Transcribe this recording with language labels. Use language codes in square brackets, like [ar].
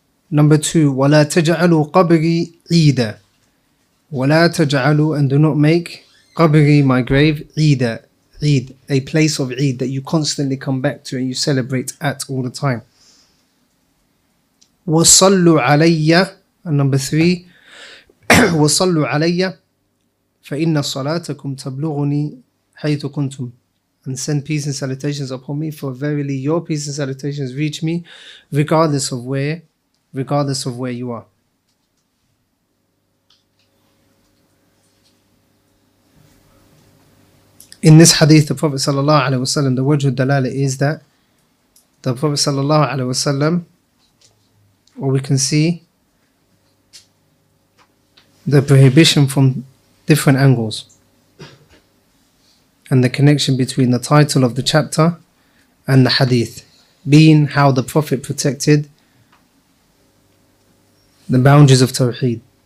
[en] Number two. [ar] ولا تجعلوا قبري عيدا. ولا تجعلوا, [en] and do not make [ar] قبري, [en] my grave, [ar] عيدا. [en] عيد, a place of عيد that you constantly come back to and you celebrate at all the time. [ar] وصلوا عليا. [en] Number three, [ar] وصلوا عليا فإن صلاتكم تبلغني حيث كنتم. [en] And send peace and salutations upon me, for verily your peace and salutations reach me, regardless of where you are. In this hadith, the Prophet sallallahu alaihi wasallam, the wajh al-dalala is that the Prophet sallallahu alaihi wasallam, or we can see the prohibition from different angles, and the connection between the title of the chapter and the hadith being how the Prophet protected the boundaries of Tawheed.